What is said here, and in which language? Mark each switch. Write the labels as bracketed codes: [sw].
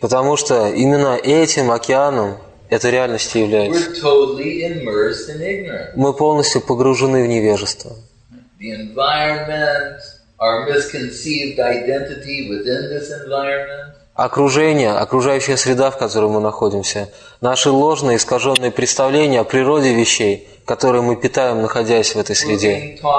[ru] Потому что именно этим океаном эта реальность и является. [en] We're totally immersed in ignorance. [ru] Мы полностью погружены в невежество. [en] The environment, our misconceived identity within this environment. [ru] Окружение, окружающая среда, в которой мы находимся, наши ложные, искаженные представления о природе вещей, которые мы питаем, находясь в этой среде.